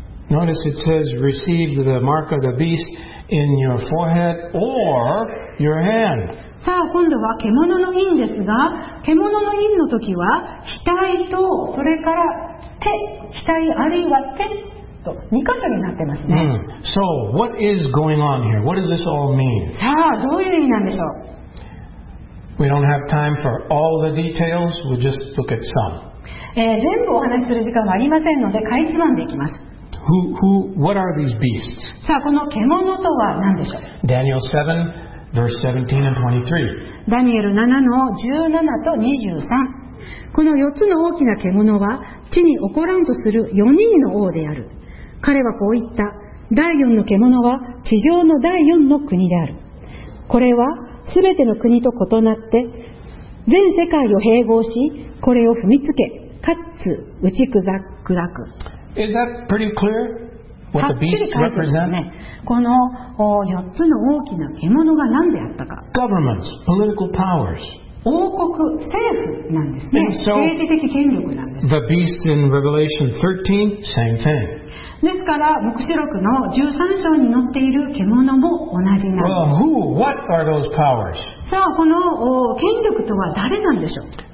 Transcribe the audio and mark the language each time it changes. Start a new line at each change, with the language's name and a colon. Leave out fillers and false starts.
English: Notice it says receive the mark of the beast in your forehead or your hand.
Japanese: さあ今度は獣の印ですが、獣の印の時は額とそれから手、額あるいは手。 2箇所になってますね。
English: So what is going on here? What does this all mean?
Japanese: さあどういう意味なんでしょう。
English: We don't have time for all the details. We'll just look at some.
Japanese: 全部お話しする時間はありませんので、かいつまんでいきます。
English: What are these beasts?
Japanese: さあこの獣とは何でしょう。
English: Daniel 7 verse 17 and 23.
Japanese: ダニエル7の17と23。この4つの大きな獣は地に起こらんとする4人の王である。彼はこう言った。第4の獣は地上の第4の国である。これはすべての国と異なって全世界を併合し、これを踏みつけかつ打ち砕く。
English: Is that pretty clear what the beast represents?
Japanese: この4つの大きな獣が何であったか。
English: Governments, political powers.
Japanese: 王国、政府なんですね。
English: So,
Japanese: 政治的権力なんです。
English: The beasts in Revelation 13, same thing.
Japanese: ですから、黙示録の13章に載っている獣も同じなんです。
English: Well, who, what are those powers?
Japanese: さあ、この権力とは誰なんでしょう。